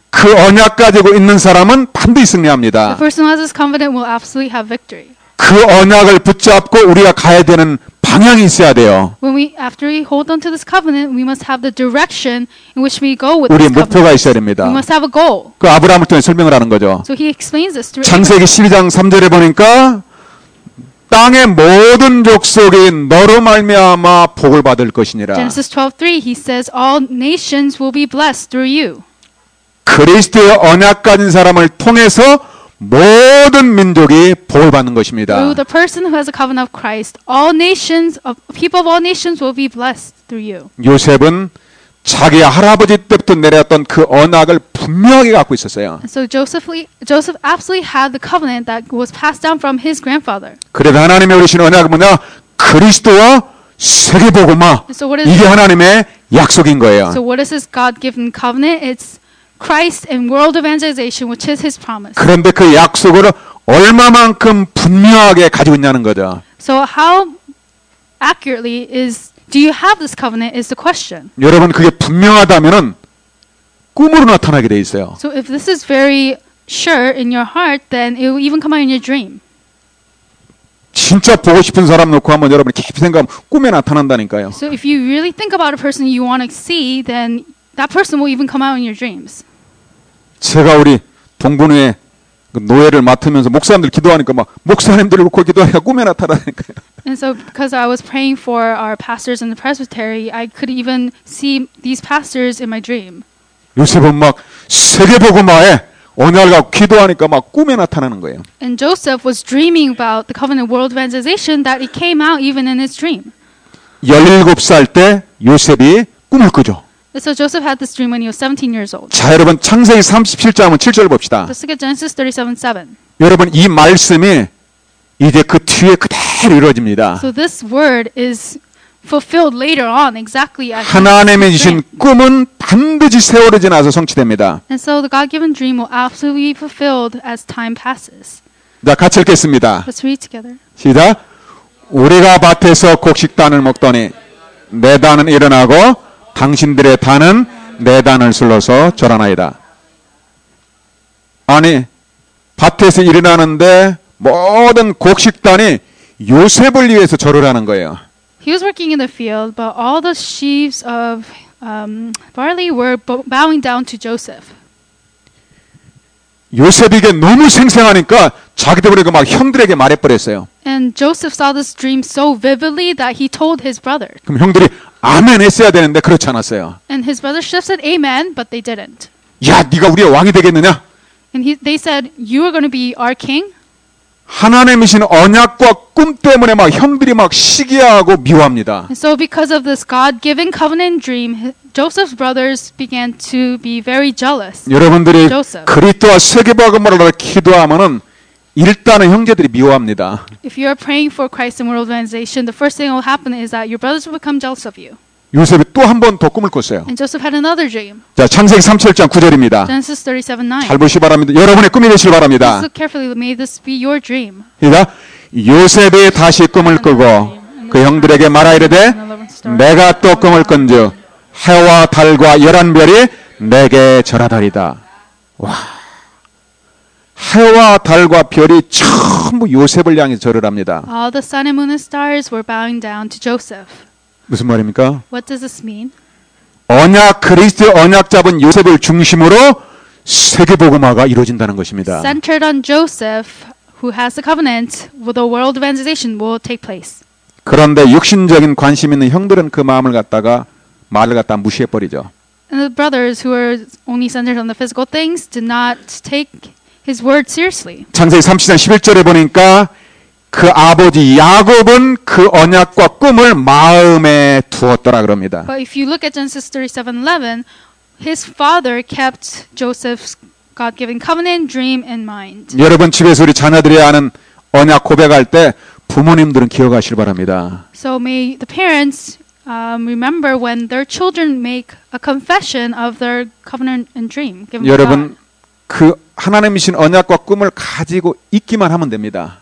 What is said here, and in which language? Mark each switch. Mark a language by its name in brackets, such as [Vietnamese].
[Korean] 그 언약 가지고 있는 사람은 반드시 승리합니다. [English] The person who has this covenant will absolutely have victory. [Korean] 그 언약을 붙잡고 우리가 가야 되는 방향이 있어야 돼요. [English] When we after we hold on to this covenant, we must have the direction in which we go with this. [Korean] 우리 목표가 있어야 됩니다. [English] We must have a goal. [Korean] 그 아브라함을 통해 설명을 하는 거죠. [English] So he explains this to. [Korean] 창세기 12장 3절에 보니까 땅의 모든 족속이 너로 말미암아 복을 받을 것이니라. [English] Genesis 12:3 he says all nations will be blessed through you. [Korean] 그리스도의 언약 가진 사람을 통해서 모든 민족이 복을 받는 것입니다. [English] Through the person who has a covenant of Christ, all nations of people of all nations will be blessed through you. [Korean] 요셉은 자기 할아버지 때부터 내렸던 그 언약을 분명히 갖고 있었어요. [English] So Joseph absolutely had the covenant that was passed down from his grandfather. [Korean] 그래서 하나님의 주신 언약은 뭐냐? 그리스도와 세계 복음화. [English] So [Korean] 이게 하나님의 약속인 거예요. [English] So what is this God-given covenant? It's Christ and world evangelization, which is His promise. [Korean] 그런데 그 약속을 얼마만큼 분명하게 가지고 있냐는 거죠. [English] So how accurately is Do you have this covenant? Is the question. [Korean] 여러분 그게 분명하다면은 꿈으로 나타나게 돼 있어요. [English] So if this is very sure in your heart, then it will even come out in your dream. [Korean] 진짜 보고 싶은 사람 놓고 한번 여러분 깊이 생각하면 꿈에 나타난다니까요. [English] So if you really think about a person you want to see, then that person will even come out in your dreams. [Korean] 제가 우리 동부에 노예를 맡으면서 목사님들 기도하니까 막 목사님들을 놓고 기도하니까 꿈에 나타나니까요. [English] And so because I was praying for our pastors in the presbytery, I could even see these pastors in my dream. [Korean] 요셉은 막 세계복음화에 언약을 갖고 기도하니까 막 꿈에 나타나는 거예요. [English] And Joseph was dreaming about the covenant world evangelization that it came out even in his dream. [Korean] 17살 때 요셉이 꿈을 꾸죠. [English] So Joseph had this dream when he was 17 years old. [Korean] 자, 여러분 창세기 37장 한번 7절 봅시다. [English] Let's look at Genesis 37:7. [Korean] 여러분 이 말씀이 이제 그 뒤에 그대로 이루어집니다. [English] So this word is fulfilled later on exactly as [Korean] 하나님의 주신 꿈은 반드시 세월이 지나서 성취됩니다. [English] And so the God-given dream will absolutely be fulfilled as time passes. [Korean] 자, 같이 읽겠습니다. [English] Let's read together. [Korean] 시작. 우리가 밭에서 곡식단을 먹더니 내 단은 일어나고 당신들의 단은 내 단을 슬러서 절하나이다. 아니, 밭에서 일어나는데 모든 곡식단이 요셉을 위해서 절을 하는 거예요. [English] He was working in the field, but all the sheaves of barley were bowing down to Joseph. [Korean] 요셉에게 너무 생생하니까 자기 때문에 그 막 형들에게 말해버렸어요. [English] And Joseph saw this dream so vividly that he told his brother. [Korean] 그럼 형들이 아멘 했어야 되는데 그렇지 않았어요. [English] And his brother should have said amen, but they didn't. [Korean] 야, 네가 우리의 왕이 되겠느냐? [English] And they said, you are going to be our king. [Korean] 하나님이신 언약과 꿈 때문에 막 형들이 막 시기하고 미워합니다. [English] So because of this God-given covenant dream, Joseph's brothers began to be very jealous. [Korean] 여러분들이 그리스도와 세계복음화를 기도하면은 일단은 형제들이 미워합니다. [English] If you are praying for Christ and world evangelization, the first thing that will happen is that your brothers will become jealous of you. [Korean] 요셉이 또 한 번 더 꿈을 꿨어요. [English] And Joseph had another dream. [Korean] 자, 창세기 37장 9절입니다. [English] Genesis 37:9. [Korean] 잘 보시기 바랍니다. 여러분의 꿈이 되시길 바랍니다. [English] Look carefully. May this be your dream. [Korean] 그러니까 요셉이 다시 꿈을 꾸고 그 형들에게 말하이르되 내가 또 꿈을 꾼즉 해와 달과 열한 별이 내게 절하더리다. 와. 해와 달과 별이 전부 요셉을 향해 절을 합니다. [English] All the sun and moon and stars were bowing down to Joseph. [Korean] 무슨 말입니까? [English] What does this mean? [Korean] 언약 그리스도의 언약 잡은 요셉을 중심으로 세계 복음화가 이루어진다는 것입니다. [English] Centered on Joseph, who has the covenant, the world evangelization will take place. [Korean] 그런데 육신적인 관심 있는 형들은 그 마음을 갖다가 말을 갖다 무시해 버리죠. [English] And the brothers who were only centered on the physical things did not take his word seriously. [Korean] 창세기 30장 11절에 보니까 그 아버지 야곱은 그 언약과 꿈을 마음에 두었더라 그럽니다. [English] But if you look at Genesis 37:11, his father kept Joseph's God-given covenant dream in mind. [Korean] 여러분 집에서 우리 자녀들이 하는 언약 고백할 때 부모님들은 기억하실 바랍니다. [English] So may the parents remember when their children make a confession of their covenant and dream given. [Korean] 여러분 [English] God. [Korean] 그 하나님이신 언약과 꿈을 가지고 있기만 하면 됩니다.